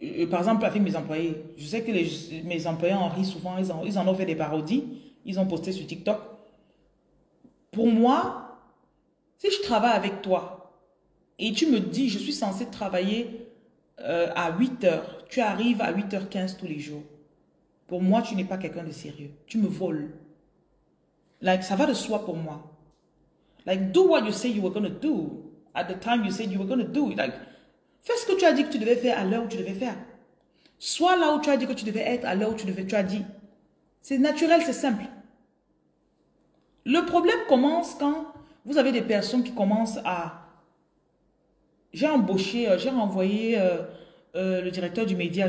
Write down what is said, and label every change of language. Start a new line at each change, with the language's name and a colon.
French: Par exemple, avec mes employés, je sais que mes employés en rient souvent, ils en ont fait des parodies, ils ont posté sur TikTok. Pour moi, si je travaille avec toi et tu me dis, je suis censé travailler à 8 heures, tu arrives à 8h15 tous les jours, pour moi, tu n'es pas quelqu'un de sérieux. Tu me voles. Like, ça va de soi pour moi.
English: Like, do what you say you were going to do at the time you said you were going to do.
French: Like, fais ce que tu as dit que tu devais faire à l'heure où tu devais faire. Sois là où tu as dit que tu devais être à l'heure où tu devais. Tu as dit. C'est naturel, c'est simple. Le problème commence quand vous avez des personnes qui commencent à... J'ai embauché, j'ai renvoyé le directeur du média.